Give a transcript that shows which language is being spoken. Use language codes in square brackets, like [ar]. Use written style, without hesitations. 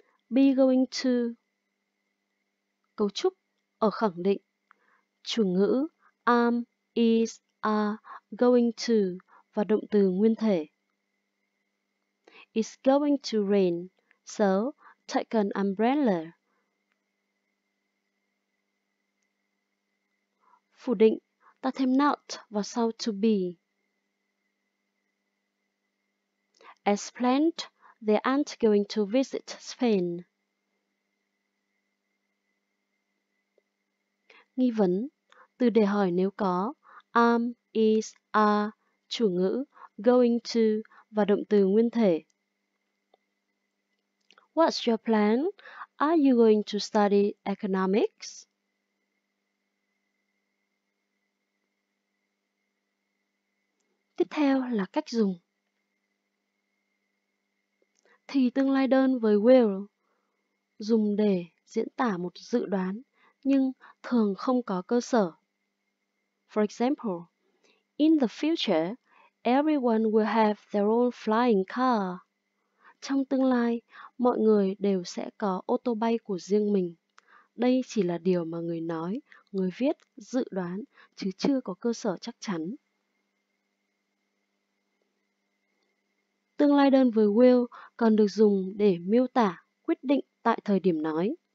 [vi] Be going to. Cấu trúc ở khẳng định. Chủ ngữ am, is, are, going to và động từ nguyên thể. [en] It's going to rain, so take an umbrella. [vi] Phủ định, ta thêm not vào sau to be. [en] As planned, they aren't going to visit Spain. [vi] Nghi vấn, từ để hỏi nếu có, am, is, are, chủ ngữ, going to và động từ nguyên thể. [en] What's your plan? Are you going to study economics? [vi] Tiếp theo là cách dùng. Thì tương lai đơn với will dùng để diễn tả một dự đoán nhưng thường không có cơ sở. [en] For example, in the future, everyone will have their own flying car. [vi] Trong tương lai, mọi người đều sẽ có ô tô bay của riêng mình. Đây chỉ là điều mà người nói, người viết, dự đoán, chứ chưa có cơ sở chắc chắn. Tương lai đơn với will còn được dùng để miêu tả quyết định tại thời điểm nói.